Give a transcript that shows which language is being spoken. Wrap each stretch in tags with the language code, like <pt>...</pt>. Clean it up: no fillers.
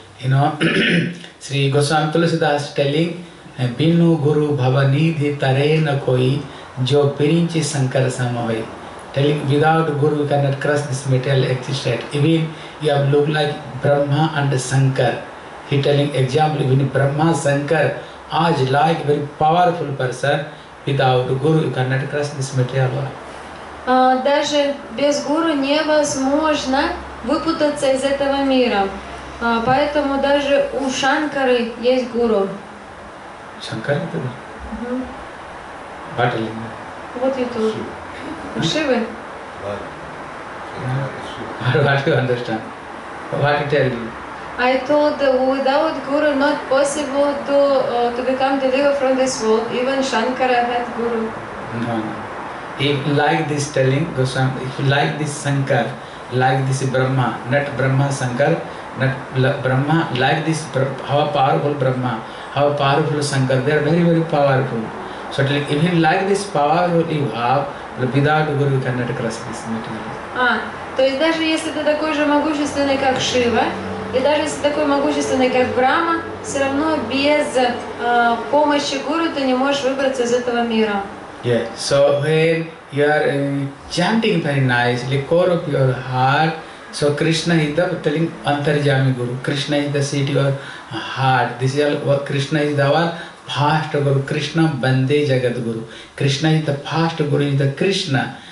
<en>You know, Sri Goswami Tulasidas is telling,</en> <awa>Binu Guru Bhavanidhi Tarena Koi Jo Pirinchi Sankara Samavai.</awa> <en>Telling, without Guru we cannot cross this material existence. Even you have looked like Brahma and Sankara. He telling example, even Brahma Shankar, as like very powerful person, without Guru you cannot cross this material world.</en> <ru>Даже без Гуру невозможно выпутаться из этого мира. Поэтому даже у Шанкары есть Гуру. Шанкары это? Угу. Баталинга. Вот и тут. У Шивы?</ru> <en>What do you understand? What you tell me? I told without Guru not possible to become delivered from this world. Even Shankara had Guru. No, no. If like this telling Goswami, if like this Shankar, like this Brahma, not Brahma Shankar, not Brahma, like this, how powerful Brahma, how powerful Shankar, they are very, very powerful. So telling, even like this powerful you have, without Guru you cannot cross this material.</en> <ru>То есть даже если ты такой же могущественный, как Шива, и даже если такой могущественный, как Брама, все равно без помощи гуру ты не можешь выбраться из этого мира.</ru> <en>Yeah, so when you are chanting very nicely, core of your heart, so Krishna is the telling Antarjami Guru. Krishna is the seat of your heart. This is all what Krishna is the one past Guru.</en> <sa>Krishna Bande Jagat Guru.</sa> <en>Krishna is the past Guru, is the Krishna.</en>